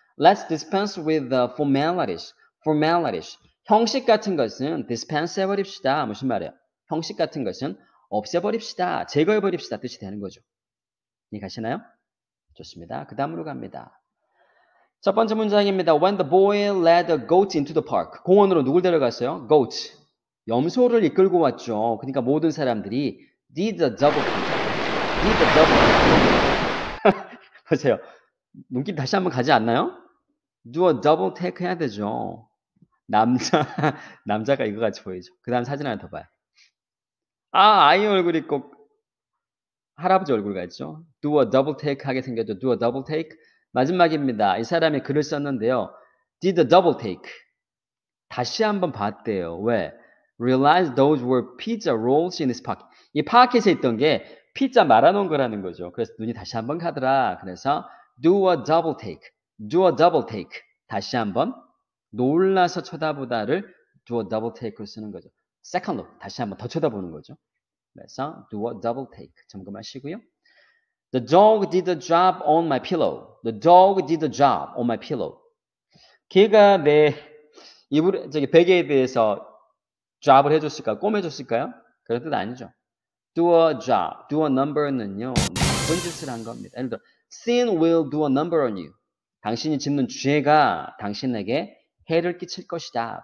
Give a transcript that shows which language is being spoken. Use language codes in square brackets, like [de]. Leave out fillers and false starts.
[en] Let's dispense with the formalities. Formalities. [ko] 형식 같은 것은 dispense 해버립시다. 무슨 말이에요? 형식 같은 것은 없애버립시다. 제거해버립시다. 뜻이 되는 거죠. 이해가시나요? 좋습니다. 그 다음으로 갑니다. 첫 번째 문장입니다. [en] When the boy led a goat into the park. [ko] 공원으로 누굴 데려갔어요? Goat. 염소를 이끌고 왔죠. 그러니까 모든 사람들이 [en] did a double pump. Did a double pump. 보세요. [ko] 눈길 다시 한번 가지 않나요? Do a double take 해야 되죠. 남자가 이거 같이 보이죠. 그 다음 사진 하나 더 봐요. 아, 아이 얼굴이 꼭 할아버지 얼굴 같죠? [en] Do a double take [ko] 하게 생겼죠. [en] Do a double take. [ko] 마지막입니다. 이 사람이 글을 썼는데요. [en] Did a double take. [ko] 다시 한번 봤대요. 왜? [en] Realized those were pizza rolls in his pocket. [ko] 이 파켓에 있던 게 피자 말아놓은 거라는 거죠. 그래서 눈이 다시 한번 가더라. [en] 그래서 do a double take. Do a double take. [ko] 다시 한번 놀라서 쳐다보다를 do a double take로 쓰는 거죠. [en] Second look. [ko] 다시 한번 더 쳐다보는 거죠. 그래서 do a double take. 점검하시고요. [en] The dog did a job on my pillow. The dog did a job on my pillow. [ko] 개가 내 이불, 저기 베개에 대해서 job을 해줬을까요? 꿰매줬을까요? 그런 뜻 아니죠. Do a job. Do a number는요. 나쁜 짓을 한 겁니다. 예를 들어, [en] Sin will do a number on you. [ko] 당신이 짓는 죄가 당신에게 해를 끼칠 것이다.